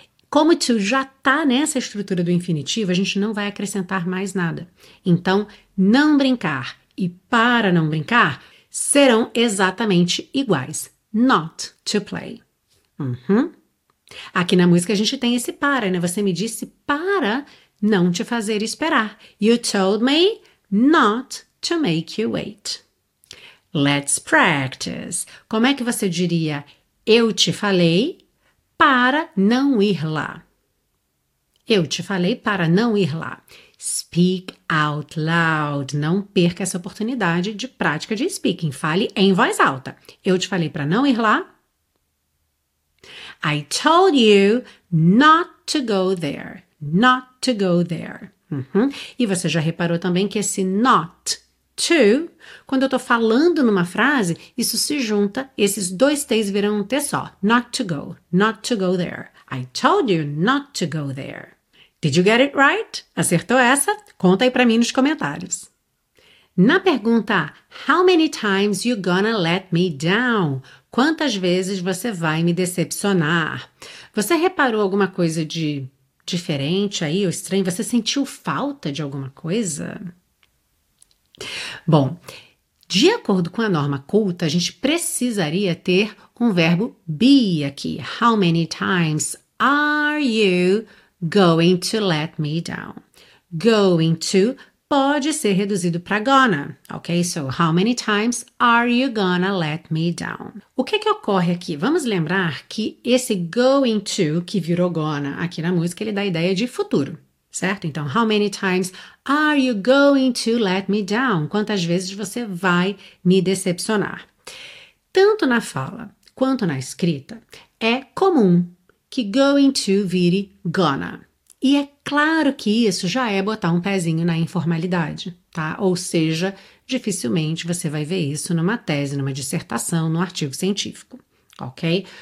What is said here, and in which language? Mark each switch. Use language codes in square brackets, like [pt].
[pt] Como to já está nessa estrutura do infinitivo, a gente não vai acrescentar mais nada. Então, não brincar e para não brincar serão exatamente iguais. Not to play. Uhum. Aqui na música a gente tem esse para, né? Você me disse para não te fazer esperar. [en] You told me not to make you wait. Let's practice. [pt] Como é que você diria eu te falei para não ir lá? Eu te falei para não ir lá. Speak out loud. Não perca essa oportunidade de prática de speaking. Fale em voz alta. Eu te falei para não ir lá. [en] I told you not to go there. Not to go there. Uhum. [pt] E você já reparou também que esse not to, quando eu estou falando numa frase, isso se junta, esses dois T's viram um T só. [en] Not to go, not to go there. I told you not to go there. Did you get it right? Acertou essa? [pt] Conta aí para mim nos comentários. [en] Na pergunta, how many times you gonna let me down? [pt] Quantas vezes você vai me decepcionar? Você reparou alguma coisa de diferente aí, ou estranho? Você sentiu falta de alguma coisa? Bom, de acordo com a norma culta, a gente precisaria ter um verbo be aqui. [en] How many times are you going to let me down? [pt] Going to pode ser reduzido para gonna, ok? [en] So, how many times are you gonna let me down? [pt] O que ocorre aqui? Vamos lembrar que esse going to, que virou gonna aqui na música, ele dá a ideia de futuro, certo? [en] Então, how many times are you going to let me down? [pt] Quantas vezes você vai me decepcionar? Tanto na fala quanto na escrita, é comum que going to vire gonna. E é claro que isso já é botar um pezinho na informalidade, tá? Ou seja, dificilmente você vai ver isso numa tese, numa dissertação, num artigo científico, ok?